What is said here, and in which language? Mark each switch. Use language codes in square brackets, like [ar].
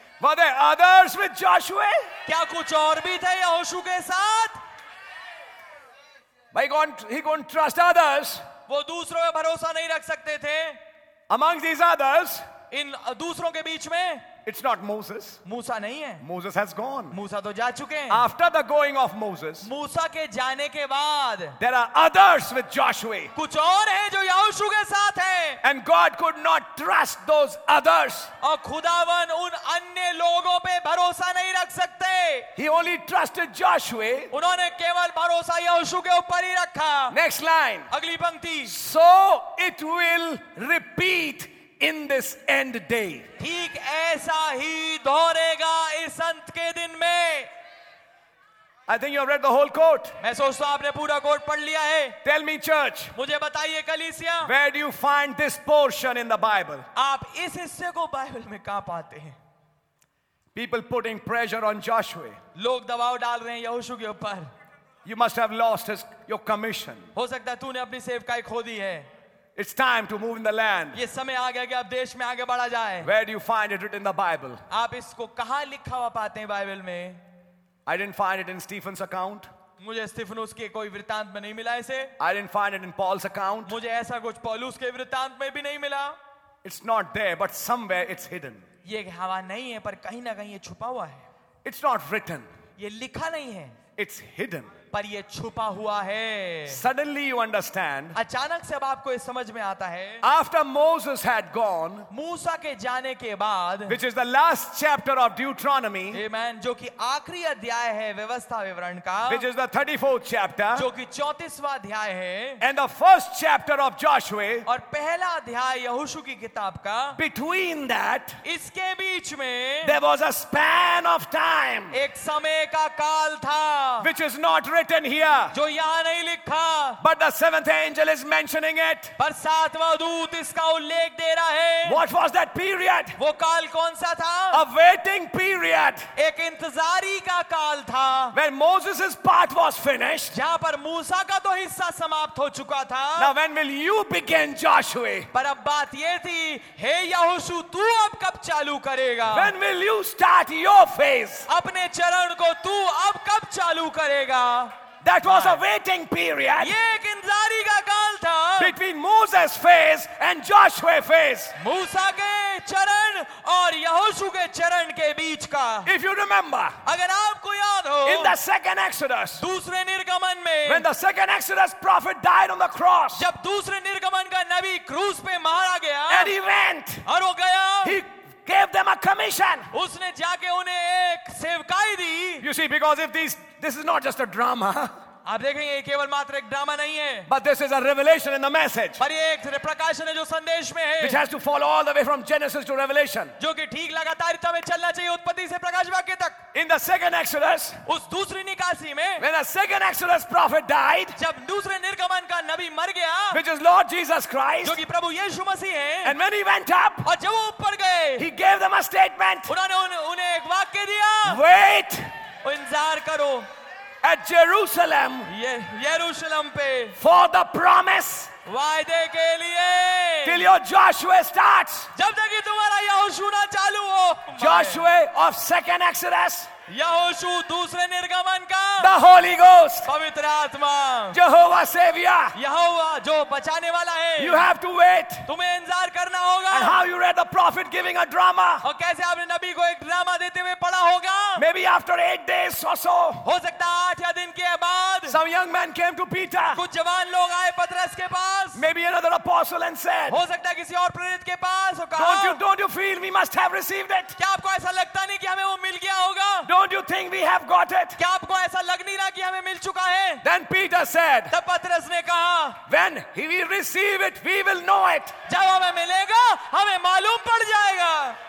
[en] Were there others with Joshua? [hi] क्या कुछ और भी थे यहोशू के साथ? [en] He couldn't trust others. [hi] वो दूसरों पे भरोसा नहीं रख सकते थे. [en] Among these others, [hi] इन दूसरों के बीच में, [en] it's not Moses. [hi] Musa नहीं है. [en] Moses has gone. [hi] Musa तो जा चुके हैं. [en] After the going of Moses, [hi] Musa के जाने के बाद, [en] there are others with Joshua. [hi] कुछ और हैं जो यहोशू के साथ हैं. [en] And God could not trust those others. [hi] और खुदावन उन अन्य लोगों पे भरोसा नहीं रख सकते. [en] He only trusted Joshua. [hi] उन्होंने केवल भरोसा यहोशू के ऊपर ही रखा. [en] Next line. [hi] अगली पंक्ति. [en] So it will repeat in this end day. [hi] ठीक ऐसा ही दोहरेगा इस अंत के दिन में. [en] I think you have read the whole quote. [hi] मैं सोचता हूँ आपने पूरा कोट पढ़ लिया है. [en] Tell me, church. [hi] मुझे बताइए कलीसिया. [en] Where do you find this portion in the Bible? [hi] आप इस हिस्से को बाइबल में कहाँ पाते हैं? [en] People putting pressure on Joshua. [hi] लोग दबाव डाल रहे हैं यहोशू के ऊपर. [en] You must have lost your commission. [hi] हो सकता है तूने अपनी सेवकाई खो दी है. [en] It's time to move in the land. [hi] ये समय आ गया कि आप देश में आगे बढ़ा जाए. [en] Where do you find it written in the Bible? [hi] आप इसको कहाँ लिखा हुआ पाते हैं बाइबल में? [en] I didn't find it in Stephen's account. [hi] मुझे स्टीफनुस के कोई वृतांत में नहीं मिला इसे. [en] I didn't find it in Paul's account. [hi] मुझे ऐसा कुछ पौलुस के वृतांत में भी नहीं मिला. [en] It's not there, but somewhere it's hidden. [hi] ये हवा नहीं है पर कहीं ना कहीं ये छुपा हुआ है. [en] It's not written. [hi] ये लिखा नहीं है. [en] It's hidden. [hi] पर ये छुपा हुआ है. [en] Suddenly you understand. [hi] अचानक से अब आपको इस समझ में आता है. [en] After Moses had gone, [hi] मूसा के जाने के बाद, [en] which is the last chapter of Deuteronomy, [hi] amen, जो कि आखिरी अध्याय है व्यवस्था विवरण का, [en] which is the 34th chapter, [hi] जो कि 34वां अध्याय है, [en] and the first chapter of Joshua, [hi] और पहला अध्याय यहोशू की किताब का, [en] between that, [hi] इसके बीच में, [en] there was a span of time, [hi] एक समय का काल था, [en] which is not written here, [hi] जो यहाँ नहीं लिखा, [en] but the seventh angel is mentioning it. [hi] पर सातवां दूत इसका उल्लेख दे रहा है. [en] What was that period? [hi] वो काल कौन सा था? [en] A waiting period. [hi] एक इंतजारी का काल था. [en] When Moses's part was finished. [hi] जहाँ पर मूसा का तो हिस्सा समाप्त हो चुका था. [en] Now when will you begin, Joshua? [hi] पर अब बात ये थी, हे यहोशू, तू अब कब चालू करेगा? [en] When will you start your phase? [hi] अपने चरण को तू अब कब चालू करेगा? [en] That was a waiting period. [hi] ये एक इंतजारी का काल था. [en] Between Moses' phase and Joshua's phase. [hi] मूसा के चरण और यहोशू के चरण के बीच का. [en] If you remember. [hi] अगर आपको याद हो. [en] In the second Exodus. [hi] दूसरे निर्गमन में. [en] When the second Exodus prophet died on the cross. [hi] जब दूसरे निर्गमन का नबी क्रूस पे मारा गया. [en] And he went. [hi] और वो गया. [en] He gave them a commission. [hi] उसने जाके उन्हें एक सेवकाई दी. [en] You see, because if these this is not just a drama. [hi] आप देखेंगे ये केवल मात्र एक ड्रामा नहीं है. [en] But this is a revelation in the message. [hi] पर ये एक प्रकाशन है जो संदेश में है. [en] Which has to follow all the way from Genesis to Revelation. [hi] जो कि ठीक लगातारिता में चलना चाहिए उत्पत्ति से प्रकाश वाक्य तक. [en] In the second Exodus. [hi] उस दूसरी निकासी में. [en] When the second Exodus prophet died. [hi] जब दूसरे निर्गमन का नबी मर गया. [en] Which is Lord Jesus Christ. [hi] जो कि प्रभु यीशु मसीह है. [en] And when he went up. [hi] और जब वो ऊपर गए. [en] He gave them a statement. [hi] उन्होंने उन्हें एक वाक्य दिया. [en] Wait. [hi] इंतजार करो. [en] At Jerusalem, [hi] Jerusalem पे, [en] for the promise, [hi] वायदे के लिए, [en] till your Joshua starts, [hi] जब तक तुम्हारा यहोशू ना चालू हो, [en] Joshua of second Exodus, [hi] यहोशू दूसरे निर्गमन का, [en] the Holy Ghost, [hi] पवित्र आत्मा, [en] Jehovah Savior, [hi] यहोवा जो बचाने वाला है, [en] you have to wait, [hi] तुम्हें इंतजार करना होगा, [en] and how you read the prophet giving a drama, [hi] और कैसे आपने नबी को एक ड्रामा देते हुए पढ़ा होगा, [en] maybe after 8 days or so, [hi] हो सकता आठ या दिन के बाद, [en] some young man came to Peter, [hi] कुछ जवान लोग आए पतरस के पास, [en] maybe another apostle and said, [hi] हो सकता किसी और प्रेरित के पास, और कहा, [en] don't you feel we must have received it, [hi] क्या आपको ऐसा लगता नहीं कि हमें वो मिल गया होगा? [en] Don't you think we have got it? [hi] क्या आपको ऐसा लग नहीं रहा कि हमें मिल चुका है? [en] Then Peter Peter said, [hi] तब पत्रस ने कहा, [en] when he will receive it, we will know it. [hi] जब हमें मिलेगा, हमें मालूम पड़ जाएगा.